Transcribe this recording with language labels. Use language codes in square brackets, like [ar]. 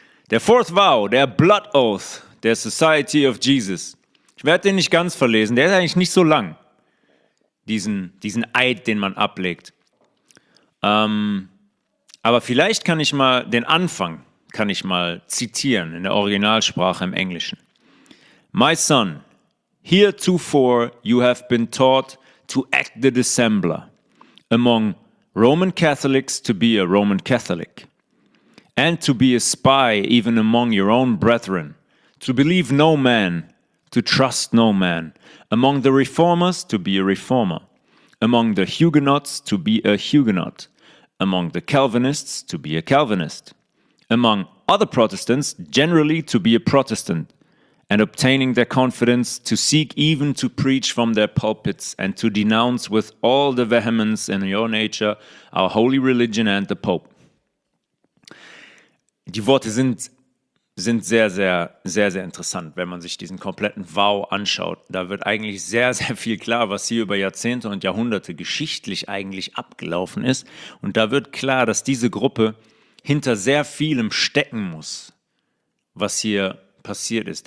[de] Der Fourth Vow, der Blood Oath, der Society of Jesus. Ich werde den nicht ganz verlesen, der ist eigentlich nicht so lang, diesen Eid, den man ablegt. Aber vielleicht kann ich mal den Anfang, kann ich mal zitieren in der Originalsprache im Englischen. [en] My son, heretofore you have been taught to act the dissembler among Roman Catholics to be a Roman Catholic. And to be a spy even among your own brethren, to believe no man, to trust no man, among the reformers to be a reformer, among the Huguenots to be a Huguenot, among the Calvinists to be a Calvinist, among other Protestants generally to be a Protestant and obtaining their confidence to seek even to preach from their pulpits and to denounce with all the vehemence in your nature our holy religion and the Pope. [de] Die Worte sind sehr, sehr, sehr, sehr interessant, wenn man sich diesen kompletten Vow anschaut. Da wird eigentlich sehr, sehr viel klar, was hier über Jahrzehnte und Jahrhunderte geschichtlich eigentlich abgelaufen ist. Und da wird klar, dass diese Gruppe hinter sehr vielem stecken muss, was hier passiert ist.